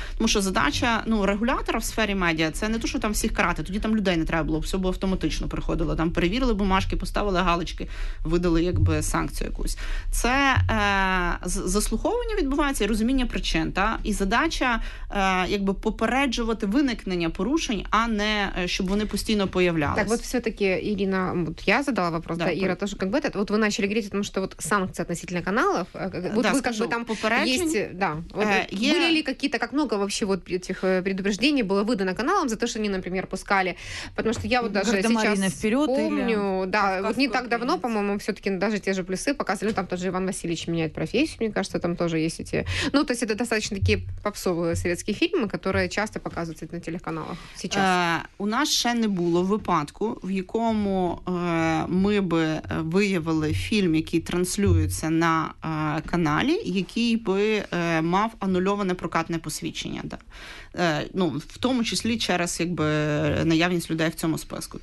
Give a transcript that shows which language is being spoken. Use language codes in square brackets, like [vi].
[uk] Тому що задача, ну, регулятора в сфері медіа, це не то, що там всіх карати, тоді там людей не треба було, все було автоматично приходило, там перевірили бумажки, поставили галочки, видали якби санкцію якусь. Це заслуховування відбувається і розуміння причин, та? І задача якби попереджувати виникнення порушень, а не щоб вони постійно появлялись. [ru] Так, вот все-таки, Ирина, вот я задала вопрос, да, Ира, тоже как бы этот, вот вы начали говорить о том, что вот санкции относительно каналов, вот да, вы скажу, как бы там есть, да, вот, были ли какие-то, как много вообще вот этих предупреждений было выдано каналам за то, что они, например, пускали, потому что я вот даже сейчас вперед, помню, или... да, вот не так давно, по-моему, все-таки даже те же плюсы показывали, там тоже Иван Васильевич меняет профессию, мне кажется, там тоже есть эти, ну, то есть это достаточно такие попсовые советские фильмы, которые часто показываются на телеканалах сейчас. [uk] У нас ще не було випадку, в якому ми би виявили фільм, який транслюється на каналі, який би мав анульоване прокатне посвідчення. Да. Ну, в тому числі через якби наявність людей в цьому списку.